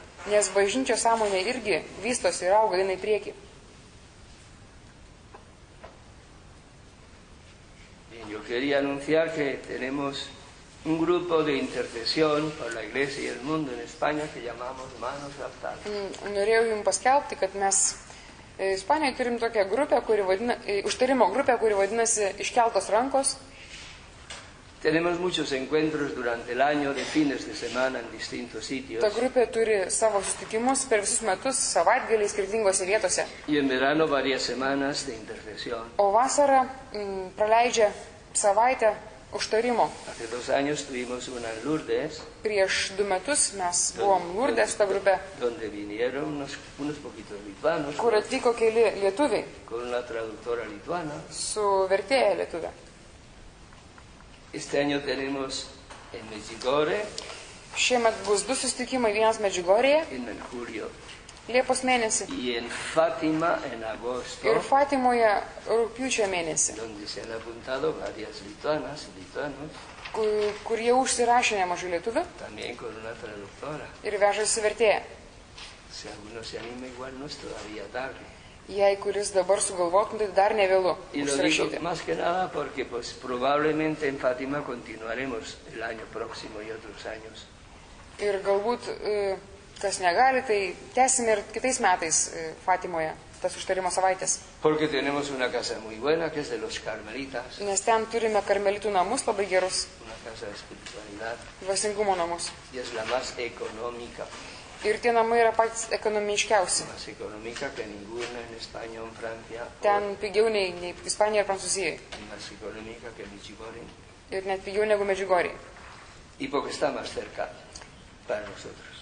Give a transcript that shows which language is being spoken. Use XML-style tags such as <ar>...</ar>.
<lt>Nes bažnyčios sąmonė irgi vystosi ir auga einai prieki.</lt> <es>Yo quería anunciar que tenemos un grupo de intercesión por la Iglesia y el mundo en España que llamamos Manos Adaptadas.</es> <lt>Norėjau jums paskelbti, kad mes Ispanijoje turim tokią grupę, kuri vadina užtarimo grupę, kuri vadinasi Iškeltos rankos.</lt> <es>Tenemos muchos encuentros durante el año de fines de semana en distintos sitios.</es> <lt>Ta grupė turi savo susitikimus per visus metus, savaitgaliais skirtingose vietose.</lt> <es>Y en verano varias semanas de intercesión.</es> <lt>O vasarą praleidžia savaitę užtarimo.</lt> <es>Hace dos años tuvimos una en Lourdes.</es> <lt>Prieš du metus mes buvom Lourdes ta grupė.</lt> <es>Donde vinieron unos poquitos lituanos.</es> <lt>Kur atvyko keli lietuviai.</lt> <es>Con una traductora lituana.</es> <lt>Su vertėja lietuvė.</lt> <es>Este año tenemos en Medjugorje.</es> <lt>Šiemet bus du susitikimai, vienas Medjugorje.</lt> <es>En Mercurio.</es> <lt>Liepos mėnesį.</lt> <es>Y en Fátima en agosto.</es> <lt>Ir Fátimoje rugpjūčio mėnesį.</lt> <es>Donde se han apuntado varias lituanas y lituanos.</es> <lt>Kur jie užsirašė nemažai lietuvių.</lt> <es>También con una traductora.</es> <lt>Ir vežasi vertėja.</lt> <es>Si alguno se anima igual no es todavía tarde.</es> <lt>Jei kuris dabar sugalvotum, tai dar ne vėlu užsirašyti.</lt> <es>Más que nada porque pues probablemente en Fátima continuaremos el año próximo y otros años.</es> <lt>Ir galbūt kas negali, tai tęsime ir kitais metais Fatimoje, tas užtarimo savaitės.</lt> <es>Porque tenemos una casa muy buena, que es de los carmelitas.</es> <lt>Nes ten turime karmelitų namus labai gerus.</lt> <es>Una casa de espiritualidad.</es> <lt>Dvasingumo namus.</lt> <es>Y es la más económica.</es> <lt>Ir tie namai yra patys ekonomiškiausi.</lt> <es>Más económica que ninguna en España o en Francia.</es> <lt>Ten pigiau nei Ispanijoje ir Prancūzijoje.</lt> <es>Más económica que Medjugorje.</es> <lt>Ir net pigiau negu Medjugorje.</lt> <es>Y porque está más cerca para nosotros.</es>